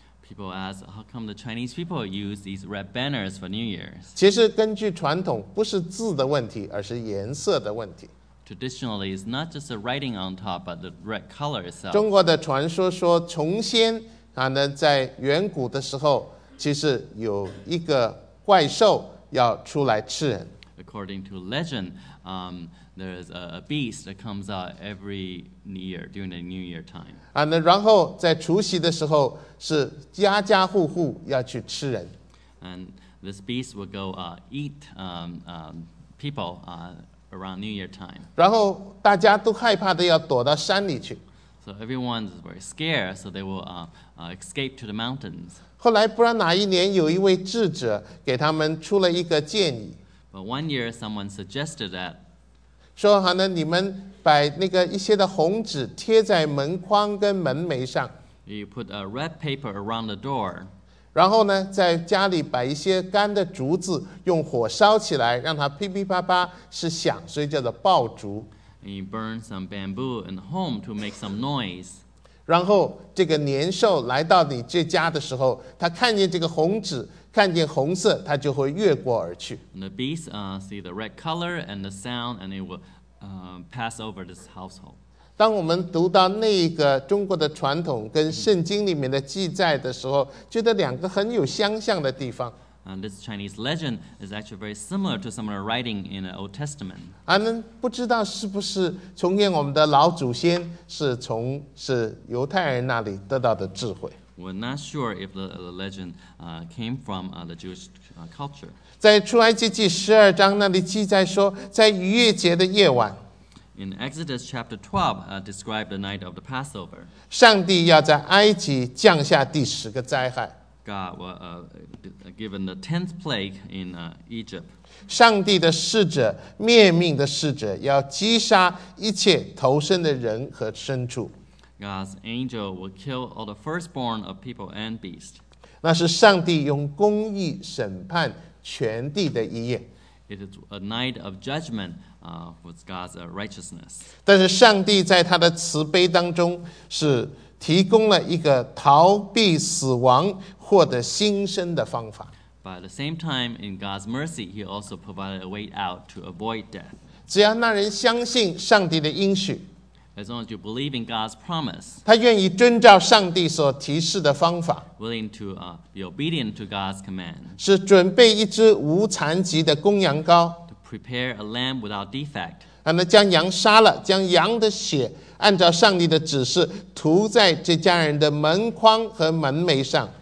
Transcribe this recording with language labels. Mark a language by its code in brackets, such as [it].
[en] People ask, how come the Chinese people use these red banners for New Year's? [zh] 其实根据传统，不是字的问题，而是颜色的问题。 [en] Traditionally, it's not just the writing on top, but the red color itself. [zh] 中国的传说说，从先在远古的时候，其实有一个怪兽要出来吃人。 [en] According to legend, there is a beast that comes out every New Year, during the New Year time. [zh] 然后在除夕的时候是家家户户要去吃人。 [en] And this beast will go eat people around New Year time. [zh] 然后大家都害怕的要躲到山里去。 [en] So everyone is very scared, so they will escape to the mountains. [zh] 后来不然哪一年有一位智者给他们出了一个建议。 [en] But one year someone suggested that. [zh] 说好呢，你们把那个一些的红纸贴在门框跟门楣上。 [en] You put a red paper around the door. [zh] 然后呢，在家里把一些干的竹子用火烧起来，让它噼噼啪啪是响，所以叫做爆竹。 [en] And you burn some bamboo in the home to make some noise. [zh] 然后这个年兽来到你这家的时候，他看见这个红纸，看见红色，他就会越过而去。 [en] And the beast see the red color and the sound, and it will pass over this household. [zh] 当我们读到那个中国的传统跟圣经里面的记载的时候，觉得两个很有相像的地方。 [en] And this Chinese legend is actually very similar to some of the writing in the Old Testament. [zh] 不知道是不是从前我们的老祖先是从是犹太人那里得到的智慧。 [en] We're not sure if the legend came from the Jewish culture. [zh] 在出埃及记十二章那里记载说，在逾越节的夜晚。 [en] In Exodus chapter 12, described the night of the Passover. [zh] 上帝要在埃及降下第十个灾害。 [en] God was given the 10th plague in Egypt. [zh] 上帝的使者，灭命的使者，要击杀一切投生的人和牲畜。 [en] God's angel will kill all the firstborn of people and beast. [zh] 那是上帝用公义审判全地的一夜。 [en] It is a night of judgment with God's righteousness. [zh] 但是上帝在他的慈悲当中是提供了一个逃避死亡获得新生的方法。 [en] But at the same time, in God's mercy, he also provided a way out to avoid death. [zh] 只要那人相信上帝的应许， [en] As long as you believe in God's promise, [zh] 他愿意遵照上帝所提示的方法 [en] willing to be obedient to God's command, [zh] 是准备一只无残疾的公羊羔 [en] to prepare a lamb without defect, [zh] 将羊杀了，将羊的血按照上帝的指示涂在这家人的门框和门楣上